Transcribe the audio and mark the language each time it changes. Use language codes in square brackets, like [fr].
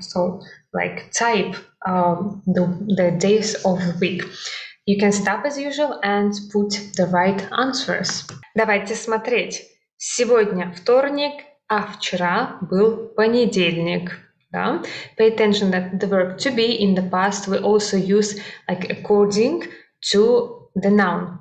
[en] So, like, type the days of the week. You can stop as usual and put the right answers. [ru] Давайте смотреть. Сегодня вторник, а вчера был понедельник. Да? [en] Pay attention that the verb to be in the past we also use like according to the noun.